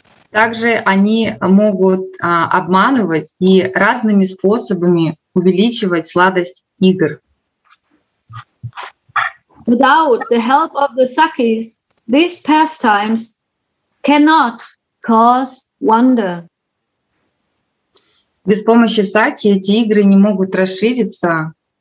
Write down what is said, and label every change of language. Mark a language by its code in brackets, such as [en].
[ru] Также они могут обманывать и разными способами увеличивать сладость игр. [en] Without the help of the Sakis, these pastimes cannot cause wonder. [ru] Без помощи Саки эти игры не могут расшириться.